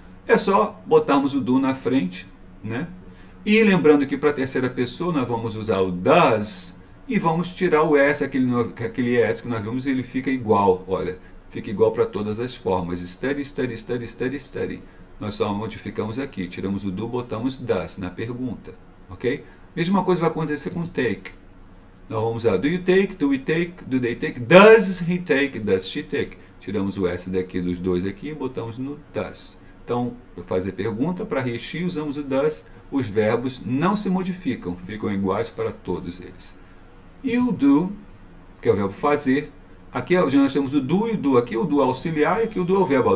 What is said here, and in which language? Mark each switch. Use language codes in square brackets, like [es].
[pt] É só botarmos o do na frente, né? E lembrando que para a terceira pessoa nós vamos usar o does e vamos tirar o S, aquele S que nós vimos, ele fica igual, olha, fica igual para todas as formas, [en] study, study, study, study, study. [pt] Nós só modificamos aqui, tiramos o do, botamos does na pergunta, ok? Mesma coisa vai acontecer com take. Nós vamos usar [en] do you take, do we take, do they take, does he take, does she take. [pt] Tiramos o S daqui dos dois aqui e botamos no does. Então, para fazer pergunta, para he, she, usamos o does. Os verbos não se modificam, ficam iguais para todos eles. E o do, que é o verbo fazer. Aqui nós temos o do e o do. Aqui o do é auxiliar e aqui o do é o verbo.